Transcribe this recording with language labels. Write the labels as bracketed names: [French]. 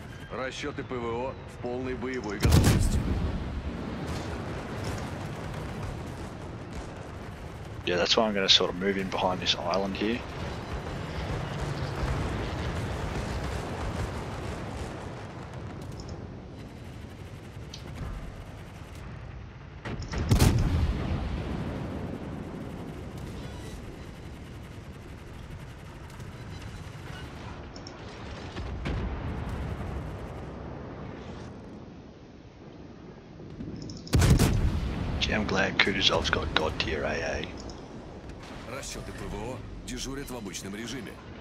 [Russian] Расчеты ПВО в полной боевой готовности. [English] Yeah, that's why I'm gonna sort of move in behind this island here. Gee, I'm glad Kutuzov's got God tier AA. [Russian] Расчеты ПВО дежурят в обычном режиме.